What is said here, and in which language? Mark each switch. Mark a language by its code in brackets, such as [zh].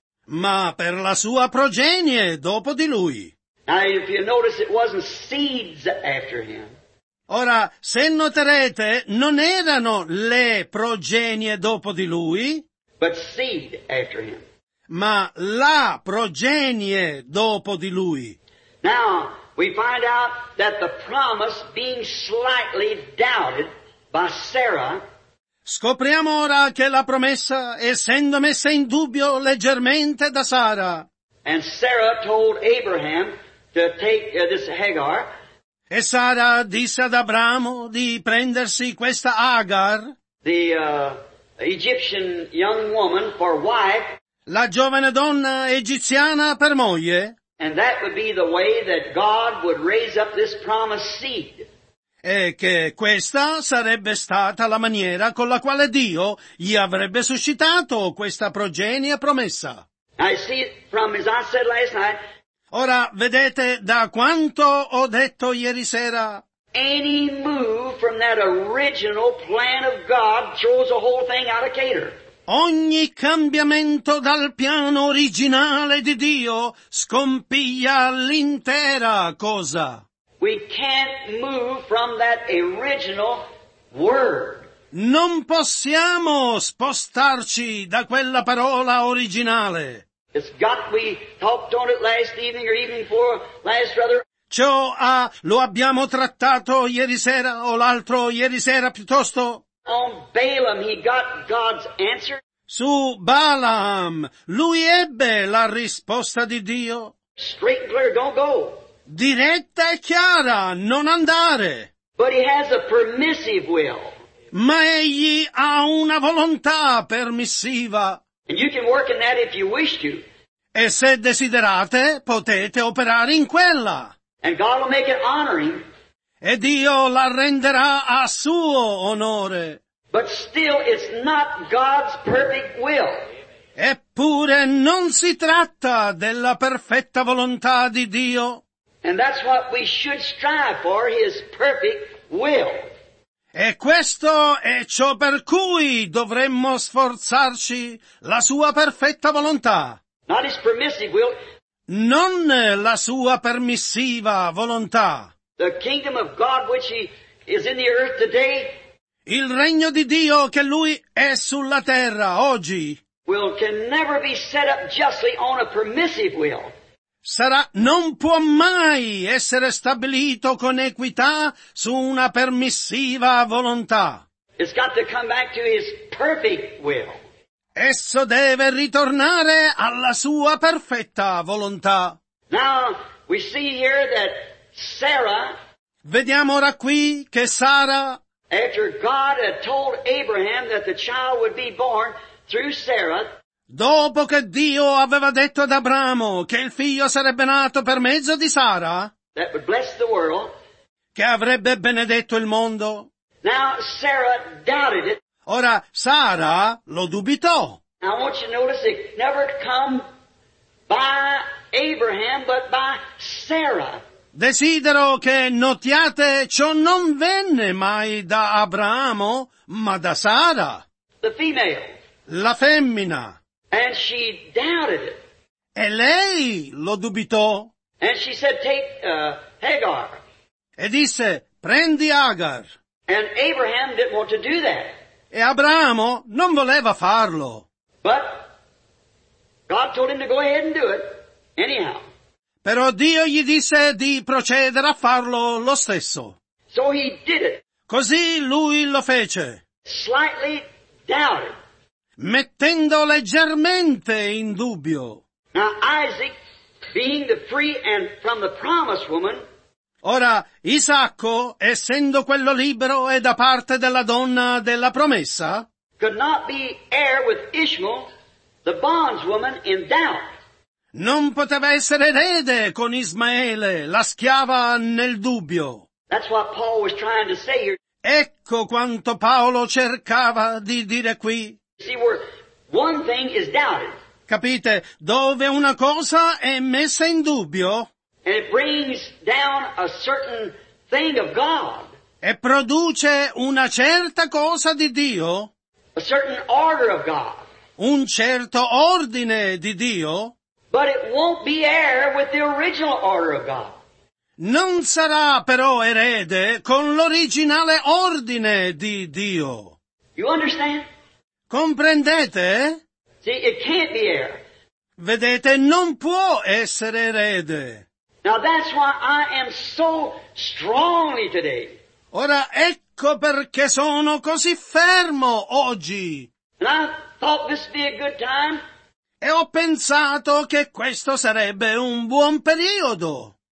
[it] Ma per la sua progenie dopo di lui. [en] Now if you notice it wasn't seeds after him. [it] Ora, se noterete, non erano le progenie dopo di lui. [en] But seed after him. [it] Ma la progenie dopo di lui. [en] Now, we find out that the promise being slightly doubted by Sarah. [it] Scopriamo ora che la promessa, essendo messa in dubbio leggermente da Sara. [en] And Sarah told Abraham to take this Hagar. [it] E Sara disse ad Abramo di prendersi questa Agar. [en] The Egyptian young woman for wife. [it] La giovane donna egiziana per moglie. [en] And that would be the way that God would raise up this promised seed. [it] E che questa sarebbe stata la maniera con la quale Dio gli avrebbe suscitato questa progenie promessa. [en] I see it from, as I said last night. [it] Ora vedete da quanto ho detto ieri sera. [en] Any move from that original plan of God throws the whole thing out of cater. [it] Ogni cambiamento dal piano originale di Dio scompiglia l'intera cosa. [en] We can't move from that original word. [it] Non possiamo spostarci da quella parola originale. [en] It's got, we talked on it last evening or evening before last, rather. [it] Ciò ha, lo abbiamo trattato ieri sera o l'altro ieri sera piuttosto. [en] On Balaam, he got God's answer. [it] Su Balaam, lui ebbe la risposta di Dio. [en] Straight and clear, don't go. [it] Diretta e chiara, non andare. [en] But he has a permissive will. [it] Ma egli ha una volontà permissiva. [en] And you can work in that if you wish to. [it] E se desiderate, potete operare in quella. [en] And God will make it honoring. [it] E Dio la renderà a suo onore. [en] But still it's not God's perfect will. [it] Eppure non si tratta della perfetta volontà di Dio. [en] And that's what we should strive for, his perfect will. [it] E questo è ciò per cui dovremmo sforzarci, la sua perfetta volontà. [en] Not his permissive will. [it] Non la sua permissiva volontà. [en] The kingdom of God which he is in the earth today. [it] Il regno di Dio che lui è sulla terra oggi. [en] Will can never be set up justly on a permissive will. [it] Sarà, non può mai essere stabilito con equità su una permissiva volontà. [en] It's got to come back to his perfect will. [it] Esso deve ritornare alla sua perfetta volontà. [en] Now we see here that Sarah. [it] Vediamo ora qui che Sara. [en] After God had told Abraham that the child would be born through Sarah. [it] Dopo che Dio aveva detto ad Abramo che il figlio sarebbe nato per mezzo di Sara. [en] That would bless the world. [it] Che avrebbe benedetto il mondo. [en] Now Sarah doubted it. [it] Ora Sara lo dubitò. [en] Now I want you to notice it never come by Abraham but by Sarah. [it] Desidero che notiate ciò non venne mai da Abramo, ma da Sara. [en] The female. [it] La femmina. [en] And she doubted it. [it] E lei lo dubitò. [en] And she said, take Hagar. [it] E disse, prendi Agar. [en] And Abraham didn't want to do that. [it] E Abramo non voleva farlo. [en] But God told him to go ahead and do it anyhow. [it] Però Dio gli disse di procedere a farlo lo stesso. [en] So he did it. [it] Così lui lo fece. [en] Slightly doubted. [it] Mettendo leggermente in dubbio. [en] Now Isaac, being the free and from the promised woman. [it] Ora Isacco, essendo quello libero e da parte della donna della promessa. [en] Could not be heir with Ishmael, the bondswoman, in doubt. [it] Non poteva essere erede con Ismaele, la schiava nel dubbio. [en] That's what Paul was trying to say here. [it] Ecco quanto Paolo cercava di dire qui. [en] See, where one thing is doubted. [it] Capite, dove una cosa è messa in dubbio. [en] And it brings down a certain thing of God. [it] E produce una certa cosa di Dio. [en] A certain order of God. [it] Un certo ordine di Dio. [en] But it won't be heir with the original order of God. [it] Non sarà però erede con l'originale ordine di Dio. [en] You understand? [it] Comprendete? [en] See, it can't be heir. [it] Vedete, non può essere erede. [en] Now that's why I am so strongly today. [it] Ora ecco perché sono così fermo oggi. [en] And I thought this would be a good time. [it] E ho pensato che questo sarebbe un buon periodo.